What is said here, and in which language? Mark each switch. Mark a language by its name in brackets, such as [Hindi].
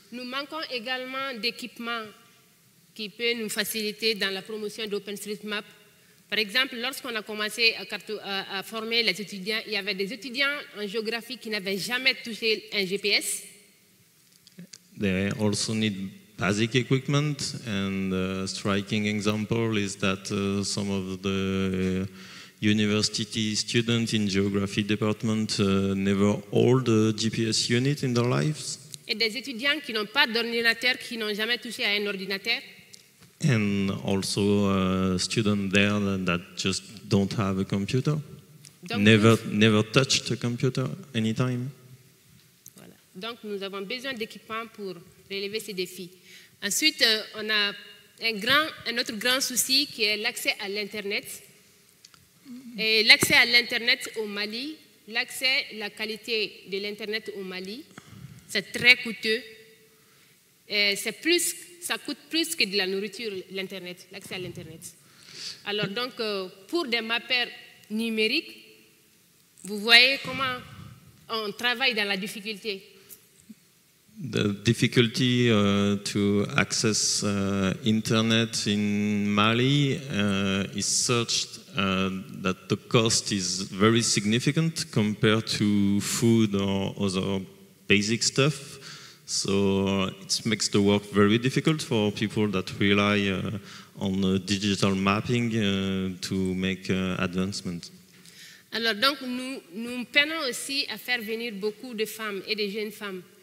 [French] Nous manquons également d'équipement qui peut nous faciliter dans la promotion d'OpenStreetMap. Par exemple, lorsqu'on a commencé à former les étudiants, il y avait des étudiants en géographie qui n'avaient jamais touché un GPS. [English] They also need basic equipment, and a striking example is that some of the university students in geography department never hold a GPS unit in their lives. [French] Et des étudiants qui n'ont pas d'ordinateur, qui n'ont jamais touché à un ordinateur. [English] And also students there that just don't have a computer, never touched a computer anytime. [French] Voilà. Donc nous avons besoin d'équipement pour relever ces défis. Ensuite, on a un autre grand souci qui est l'accès à l'internet. Et l'accès à l'internet au Mali, l'accès, la qualité de l'internet au Mali, c'est très coûteux. Et c'est plus, ça coûte plus que de la nourriture, l'internet, l'accès à l'internet. Alors donc, pour des mappeurs numériques, vous voyez comment on travaille dans la difficulté. [English] The difficulty to access internet in Mali is such that the cost is very significant compared to food or other basic stuff. So it makes the work very difficult for people that rely on digital mapping to make advancement. [French] Alors donc nous peinons aussi à faire venir beaucoup de femmes et de jeunes femmes.